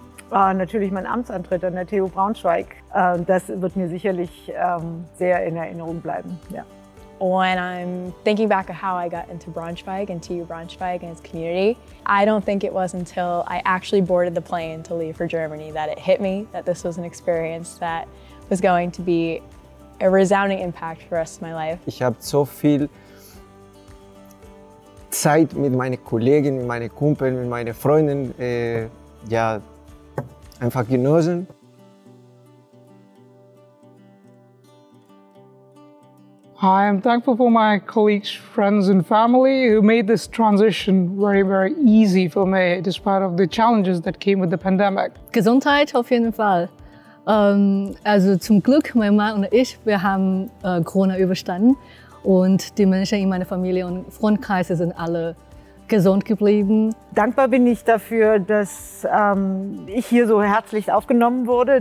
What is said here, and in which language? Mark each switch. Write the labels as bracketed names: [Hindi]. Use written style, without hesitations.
[German] war natürlich mein Amtsantritt an der TU Braunschweig. Das wird mir sicherlich sehr in Erinnerung bleiben. Ja. [English] When I'm thinking back of how I got into Braunschweig and TU Braunschweig and its community, I don't think it was until I actually boarded the plane to leave for Germany that it hit me that this was an experience that was going to be a resounding impact for the rest of my life. [German] Ich habe so viel Zeit mit meinen Kollegen, mit meinen Kumpeln, mit meinen Freunden, ja, einfach genossen. [English] I am thankful for my colleagues, friends and family who made this transition very, very easy for me, despite of the challenges that came with the pandemic. [German] Gesundheit auf jeden Fall. Also zum Glück, mein Mann und ich, wir haben Corona überstanden und die Menschen in meiner Familie und Freundeskreis sind alle gesund geblieben. Dankbar bin ich dafür, dass ich hier so herzlich aufgenommen wurde.